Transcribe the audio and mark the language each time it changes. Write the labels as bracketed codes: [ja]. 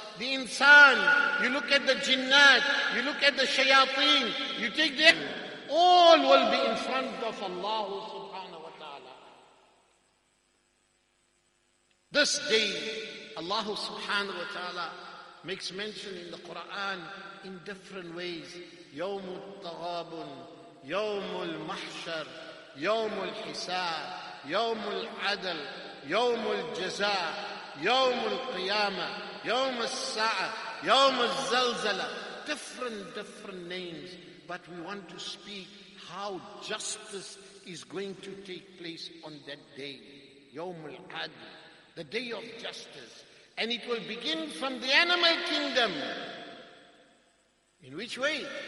[en] The insan, you look at the jinnat, you look at the shayateen, you take them, all will be in front of Allah subhanahu wa ta'ala. This day, Allah subhanahu wa ta'ala makes mention in the Quran in different ways. [ar] يوم التغابن, يوم المحشر, يوم الحساب, يوم العدل, يوم الجزاء، يوم القيامة، يوم الساعة، يوم الزلزلة. [en] Different names, but we want to speak how justice is going to take place on that day, [ar] يوم القيامة, [en] the day of justice. And it will begin from the animal kingdom. In which way?